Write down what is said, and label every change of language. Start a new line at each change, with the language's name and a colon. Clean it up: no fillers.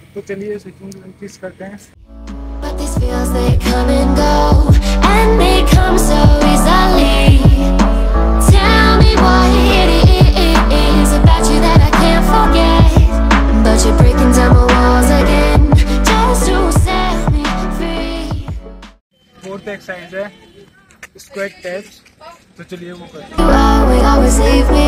Hindi: तो चलिए switching lunges करते हैं।
English: But this feels they come and go and they come so easily. Tell me what it is about you that I can't forget. But you're breaking down my walls again just to set me free.
Hindi: Fourth exercise है squat test. तो चलिए वो करते हैं।